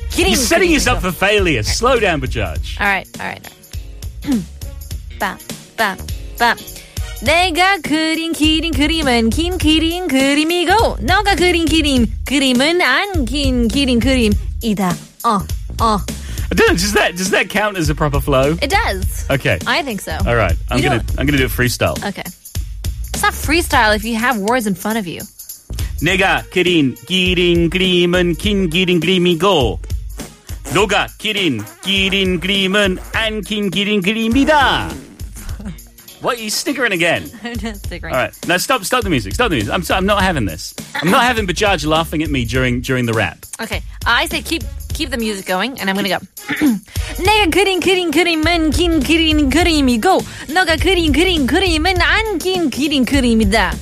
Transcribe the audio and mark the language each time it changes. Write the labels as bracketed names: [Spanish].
[English] You're setting yourself for failure. Okay. Slow down, Bajaj. All right. [Korean] 내가 그린 기린 그림은 긴 기린 그림이고 너가 그린 기린 그림은 안 긴 기린 그림이다. [English] I don't know, does that count as a proper flow? It does. Okay. I think so. All right. I'm gonna do it freestyle. Okay. It's not freestyle if you have words in front of you. [Korean] 내가 그린 기린 그림은 긴 기린 그림이고 너가 기린 기린 그림은 안 긴 기린 그림이다. [English] What? You're snickering again. I'm not snickering. All right. Now stop the music. Stop the music. I'm not having this. I'm not having Bajaj laughing at me during the rap. Okay. I say keep the music going and I'm going to go. [Korean] 내가 그린 그린 그림은 긴 기린 그림이고 너가 그린 그린 그림은 안 긴 기린 그림이다.